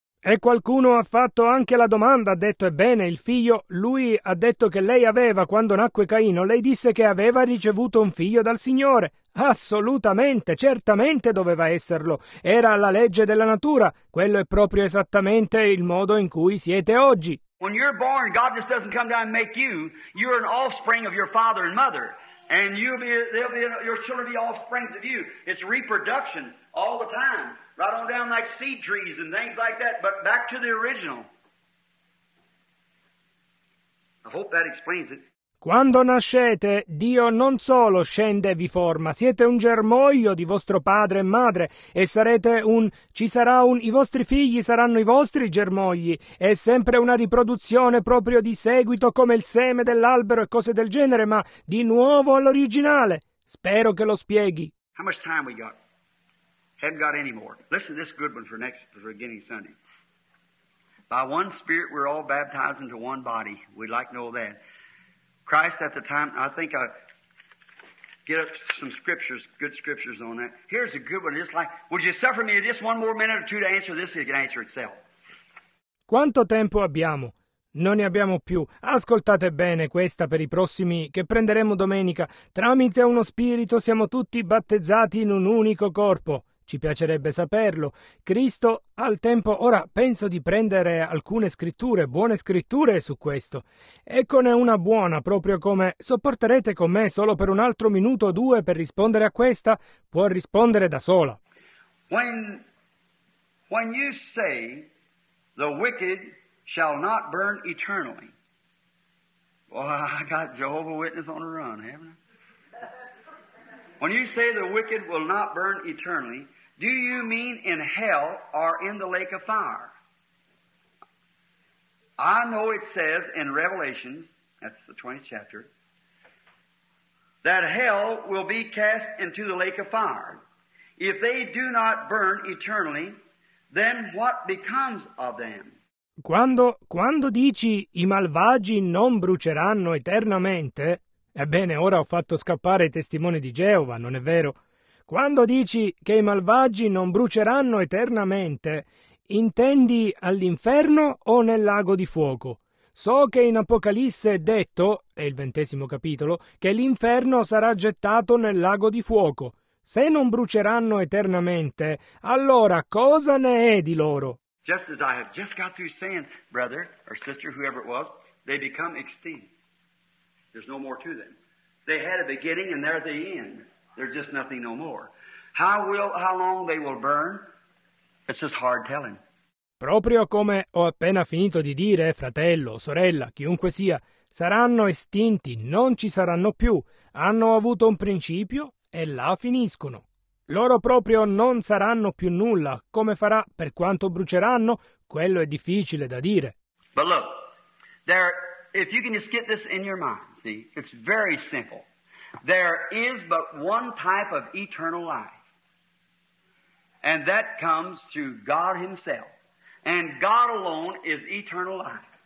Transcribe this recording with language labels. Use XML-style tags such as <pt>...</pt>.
<it>E qualcuno ha fatto anche la domanda, ha detto, ebbene, il figlio, lui ha detto che lei aveva, quando nacque Caino, lei disse che aveva ricevuto un figlio dal Signore. Assolutamente, certamente doveva esserlo. Era la legge della natura. Quello è proprio esattamente il modo in cui siete oggi.</it> <en>When you're born, God just doesn't come down and make you. You're an offspring of your father and mother. And your children will be offsprings of you. It's reproduction all the time. Right on down like seed trees and things like that, but back to the original. I hope that explains it.</en> <it>Quando nascete, Dio non solo scende e vi forma, siete un germoglio di vostro padre e madre, e sarete un... ci sarà un... i vostri figli saranno i vostri germogli, è sempre una riproduzione proprio di seguito come il seme dell'albero e cose del genere, ma di nuovo all'originale. Spero che lo spieghi.</it> <en>How much time we got? Haven't got any more. Listen to this good one for next, for beginning Sunday. By one spirit we're all baptized into one body. We'd like to know that. Christ at the time, I think I get up some scriptures, good scriptures on that. Here's a good one. It's like, would you suffer me just one more minute or two to answer this? It can answer itself.</en> <it>Quanto tempo abbiamo? Non ne abbiamo più. Ascoltate bene questa per i prossimi che prenderemo domenica. Tramite uno spirito siamo tutti battezzati in un unico corpo. Ci piacerebbe saperlo. Cristo al tempo... Ora, penso di prendere alcune scritture, buone scritture su questo. Eccone una buona, proprio come... Sopporterete con me solo per un altro minuto o due per rispondere a questa? Può rispondere da sola.</it> <en>When you say the wicked shall not burn eternally... Well, I got Jehovah's Witness on the run, haven't I? When you say the wicked will not burn eternally... Do you mean in hell or in the lake of fire? I know it says in Revelation, that's the 20th chapter, that hell will be cast into the lake of fire. If they do not burn eternally, then what becomes of them?</en> <it>Quando dici i malvagi non bruceranno eternamente, ebbene ora ho fatto scappare i testimoni di Geova, non è vero? Quando dici che i malvagi non bruceranno eternamente, intendi all'inferno o nel lago di fuoco? So che in Apocalisse è detto, è il 20° capitolo, che l'inferno sarà gettato nel lago di fuoco. Se non bruceranno eternamente, allora cosa ne è di loro?</it> <en>Just as I have just got through saying, brother or sister, whoever it was, they become extinct. There's no more to them. They had a beginning and they're the end. There's just nothing no more. How long they will burn? It's just hard telling.</en> <it>Proprio come ho appena finito di dire, fratello, sorella, chiunque sia, saranno estinti, non ci saranno più. Hanno avuto un principio e là finiscono. Loro proprio non saranno più nulla. Come farà, per quanto bruceranno, quello è difficile da dire.</it> <en>But look, there, if you can just get this in your mind, see, it's very simple. There is but one type of eternal life, and that comes through God Himself, and God alone is eternal life.</en>